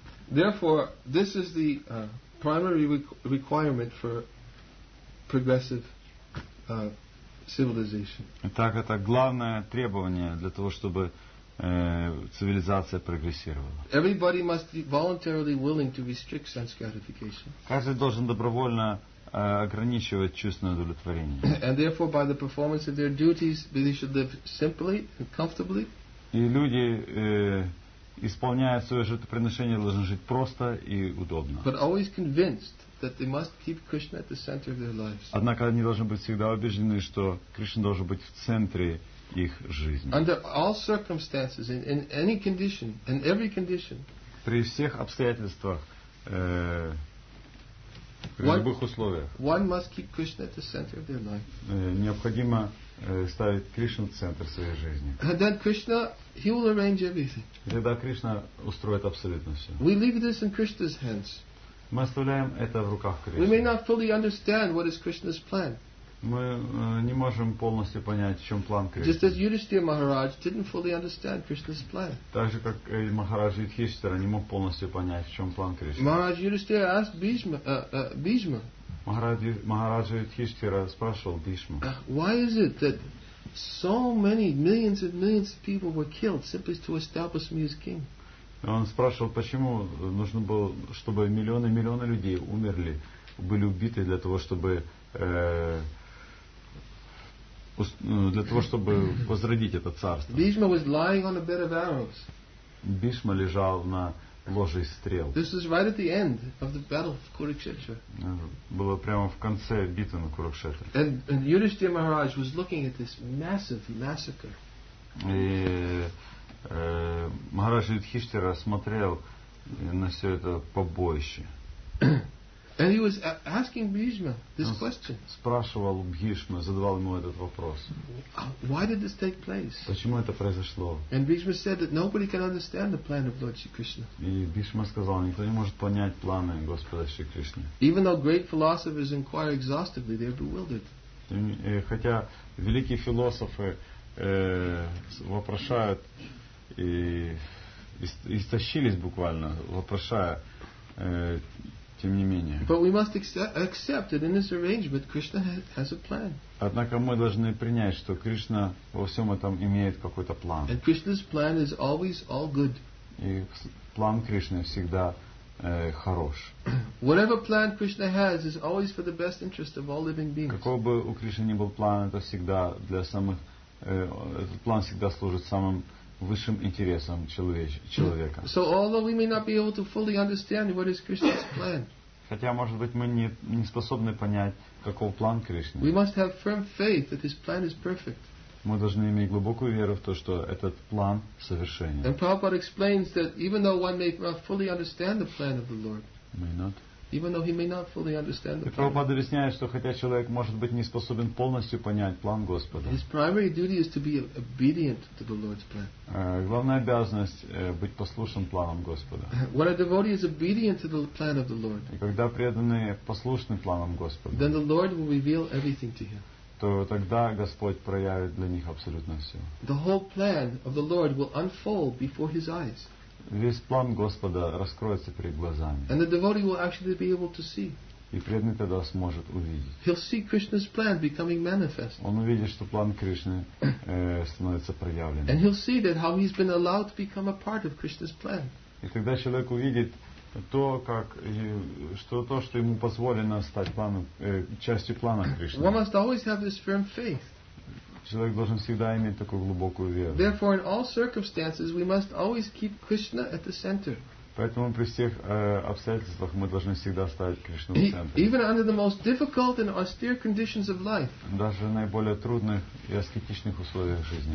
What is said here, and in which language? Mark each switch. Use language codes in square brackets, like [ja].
[en] Therefore, this is the primary requirement for progressive civilization. [ru] Итак, это главное требование для того, чтобы цивилизация прогрессировала. [en] Everybody must be voluntarily willing to restrict sense gratification. [ru] Каждый должен добровольно ограничивать чувственное удовлетворение. [en] And therefore, by the performance of their duties, they should live simply and comfortably. [ru] И люди исполняя свое жертвоприношение, должны жить просто и удобно. [en] But always convinced that they must keep Krishna at the center of their lives. [ru] Однако они должны быть всегда убеждены, что Кришна должен быть в центре их жизни. [en] Under all circumstances, in any condition, in every condition. [ru] При всех обстоятельствах, при любых условиях. [en] One must keep Krishna at the center of their life. [ru] Необходимо ставить Кришну в центр своей жизни. [en] And then Krishna, he will arrange everything. [ru] Тогда Кришна устроит абсолютно все. [en] We leave this in Krishna's hands. [ru] Мы оставляем это в руках Кришны. [en] We may not fully understand what is Krishna's plan. [ru] Мы не можем полностью понять, в чем план Кришны. [en] Just as Yudhishthira Maharaj didn't fully understand Krishna's plan. [ru] Так же, как и Махарадж Юдхиштхира не мог полностью понять, в чем план Кришны. [en] Maharaj Yudhishthira asked Bhishma. [ru] Махараджа Юдхиштхира спрашивал Бишму. [en] Why is it that so many millions and millions of people were killed simply to establish me as king? [ru] Он спрашивал, почему нужно было, чтобы миллионы и миллионы людей умерли, были убиты для того, чтобы возродить это царство. [en] Bhishma was lying on a bed of arrows. [ru] Бишма лежал на ложе из стрел. [en] This is right at the end of the battle of Kurukshetra. [ru] Было прямо в конце битвы на Курукшетре. [en] And Yudhishthira Maharaj was looking at this massive massacre. [ru] И Махарадж Юдхиштхира смотрел на все это побоище. [en] And he was asking Bhishma this question. [ru] Спрашивал Бхишму, задавал ему этот вопрос. [en] Why did this take place? [ru] Почему это произошло? [en] And Bhishma said that nobody can understand the plan of Lord Shri Krishna. [ru] И Бхишма сказал, никто не может понять планы Господа Шри Кришны. [en] Even though great philosophers inquire exhaustively, they are bewildered. [ru] Хотя великие философы вопрошают и истощились буквально, вопрошая. Тем не менее. [en] But we must accept that in this arrangement Krishna has a plan. [ru] Однако мы должны принять, что Кришна во всем этом имеет какой-то план. [en] And Krishna's plan is always all good. [ru] И план Кришны всегда хорош. [en] Whatever plan Krishna has is always for the best interest of all living beings. [ru] Какой бы у Кришны ни был план, это всегда для самых этот план всегда служит самым высшим интересом человека. [en] So although we may not be able to fully understand what is Krishna's plan, [ru] хотя может быть мы не способны понять, каков план Кришны, [en] we must have firm faith that his plan is perfect. [ru] Мы должны иметь глубокую веру в то, что этот план совершенен. [en] And Prabhupada explains that even though one may not fully understand the plan of the Lord, may not. Even though he may not fully understand the plan. [ru] И Прабхупада объясняет, что хотя человек может быть не способен полностью понять план Господа. [en] His primary duty is to be obedient to the Lord's plan. [ru] Главная обязанность быть послушным планом Господа. [en] When a devotee is obedient to the plan of the Lord. [ru] И когда преданный послушен планом Господа. [en] Then the Lord will reveal everything to him. [ru] То тогда Господь проявит для них абсолютно все. [en] The whole plan of the Lord will unfold before his eyes. [ru] Весь план Господа раскроется перед глазами. [en] And the devotee will actually be able to see. [ru] И преданный тогда сможет увидеть. [en] He'll see Krishna's plan becoming manifest. [ru] Он увидит, что план Кришны становится проявленным. [en] And he'll see that how he's been allowed to become a part of Krishna's plan. [ru] И тогда человек увидит то, как что ему позволено стать частью плана Кришны. [en] One must always have this firm faith. [ru] Человек должен всегда иметь такую глубокую веру. [en] Therefore, in all circumstances, we must always keep Krishna at the center. [ru] Поэтому при всех обстоятельствах мы должны всегда ставить Кришну в центре. [en] Even under the most difficult and austere conditions of life. [ru] Даже в наиболее трудных и аскетичных условиях жизни.